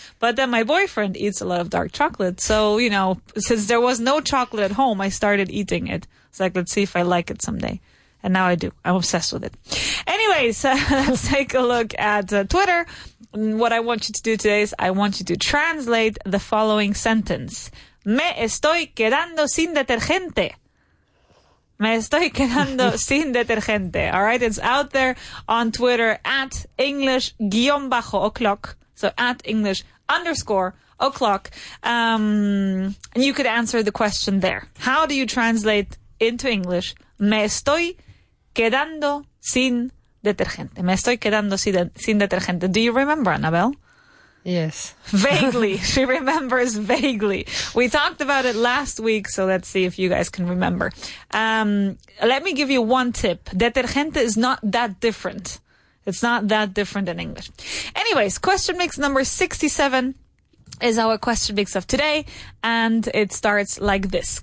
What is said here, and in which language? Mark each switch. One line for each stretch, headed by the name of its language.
English: But then my boyfriend eats a lot of dark chocolate. So, you know, since there was no chocolate at home, I started eating it. It's like, let's see if I like it someday. And now I do. I'm obsessed with it. Anyways, let's take a look at Twitter. What I want you to do today is I want you to translate the following sentence.
Spanish: Me estoy quedando sin detergente. Me estoy quedando sin detergente.
English: All right. It's out there on Twitter at English_o'clock. So at English_o'clock. And you could answer the question there. How do you translate into English?
Spanish: Me estoy quedando sin detergente. Me estoy quedando sin detergente.
English: Do you remember, Annabelle? Yes. Vaguely. She remembers vaguely. We talked about it last week, so let's see if you guys can remember. Let me give you one tip. Detergente is not that different. It's not that different in English. Anyways, question mix number 67 is our question mix of today, and it starts like this.